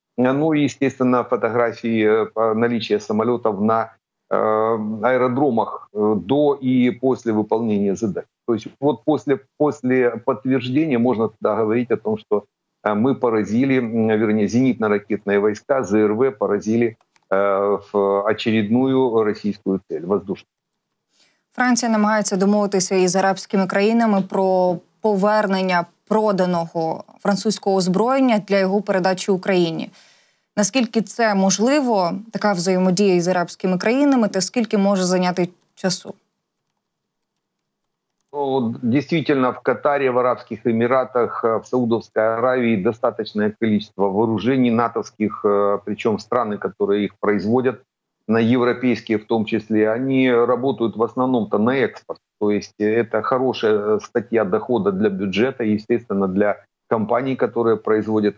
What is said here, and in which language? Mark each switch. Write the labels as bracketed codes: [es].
[ru] Ну и, естественно, фотографии наличия самолетов на аэродромах до и после выполнения задач. То есть вот после подтверждения можно тогда говорить о том, что мы поразили, вернее, зенитно-ракетные войска, ЗРВ поразили в очередную российскую цель воздушную. [uk] Франція намагається домовитися із арабськими країнами про повернення проданого французького озброєння для його передачі Україні. Наскільки це можливо, така взаємодія із арабськими країнами, та скільки може зайняти часу? [ru] Действительно, в Катаре, в Арабских Эмиратах, в Саудовской Аравии достаточное количество вооружений натовских, причем страны, которые их производят, на европейские в том числе, они работают в основном-то на экспорт. То есть это хорошая статья дохода для бюджета, естественно, для компаний, которые производят.